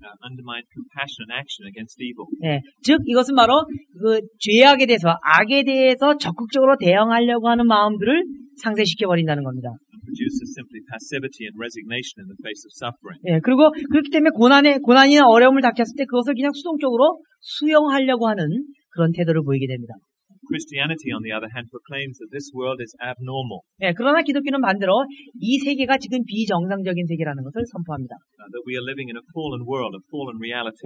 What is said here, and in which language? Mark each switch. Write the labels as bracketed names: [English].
[English] Undermine compassion and action against evil. [Korean] 예, 즉 이것은 바로 그 죄악에 대해서 악에 대해서 적극적으로 대응하려고 하는 마음들을 상쇄시켜 버린다는 겁니다. [English] Produces simply passivity and resignation in the face of suffering. [Korean] 예, 그리고 그렇기 때문에 고난이나 어려움을 닥쳤을 때 그것을 그냥 수동적으로 수용하려고 하는 그런 태도를 보이게 됩니다. [English] Christianity, on the other hand, proclaims that this world is abnormal. [Korean] 예, 그러나 기독교는 반대로 이 세계가 지금 비정상적인 세계라는 것을 선포합니다. [English] That we are living in a fallen world, a fallen reality.